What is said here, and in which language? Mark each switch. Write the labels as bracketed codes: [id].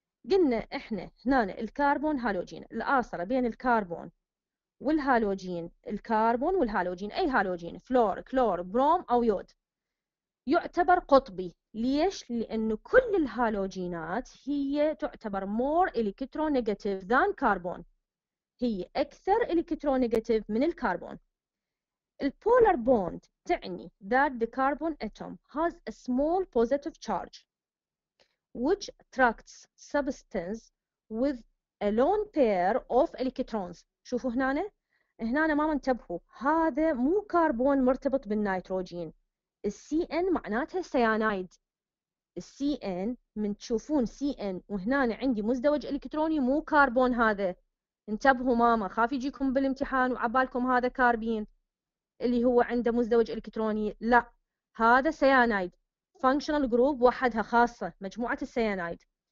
[ar] قلنا احنا هنا الكربون هالوجين، الاصره بين الكربون والهالوجين، الكربون والهالوجين، اي هالوجين، فلور، كلور، بروم او يود، يعتبر قطبي. ليش؟ لأنه كل الهالوجينات هي تعتبر [en] more electronegative than carbon، [ar] هي أكثر electronegative من الكربون. البولار بوند تعني [en] that the carbon atom has a small positive charge which attracts substance with a lone pair of electrons. [ar] شوفوا هنا ماما انتبهوا، هذا مو كربون مرتبط بالنيتروجين، السي ان معناتها سيانايد. السي ان من تشوفون سي ان وهنا عندي مزدوج الكتروني مو كربون هذا. انتبهوا ماما، خاف يجيكم بالامتحان وعبالكم هذا كاربين اللي هو عنده مزدوج الكتروني، لا هذا سيانايد، فانكشنال جروب وحدها خاصه مجموعه السيانايد.